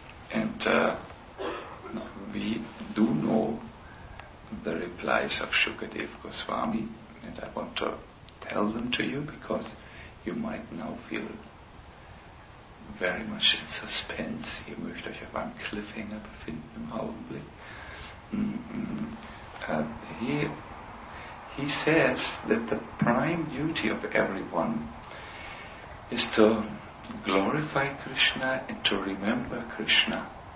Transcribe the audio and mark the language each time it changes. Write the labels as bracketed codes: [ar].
[en] And we do know the replies of Shukadev Goswami, and I want to tell them to you because you might now feel very much in suspense. [de] Ihr möcht euch auf einem Cliffhanger befinden im Augenblick. [en] He says that the prime duty of everyone is to glorify Krishna and to remember Krishna